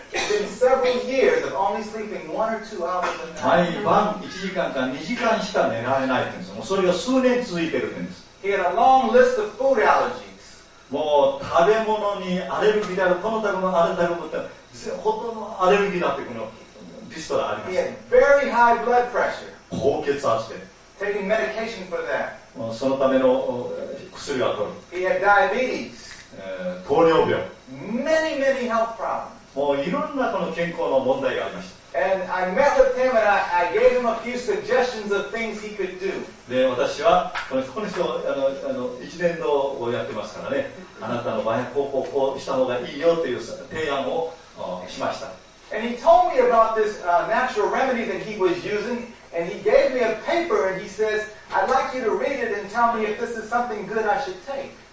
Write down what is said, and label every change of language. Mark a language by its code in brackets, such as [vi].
[en] It's been several years of only sleeping one or two hours a night. [ja] 毎晩1時間か2時間しか寝られないって言うんです。もうそれが数年続いてるんです。 [en] He had a long list of food allergies. [ja] もう食べ物にアレルギーである、この食べ物、あれ食べ物って、ほとんどアレルギーだってこのリストがあります。 [en] He had very high blood pressure. [ja] 高血圧で。 [en] Taking medication for that. [ja] そのための薬を取る。 [en] He had diabetes. [ja] 糖尿病。 [en] Many, many health problems. [ja] もういろんなこの健康の問題がありました。 [en] And I met with him and I gave him a few suggestions of things he could do. [ja] で、私はこの人あの一年度をやってますからね。あなたの場合こうした方がいいよという提案をしました。 [en] And he told me about this natural remedy that he was using. And he gave me a paper and he says, I'd like you to read it and tell me if this is something good I should take.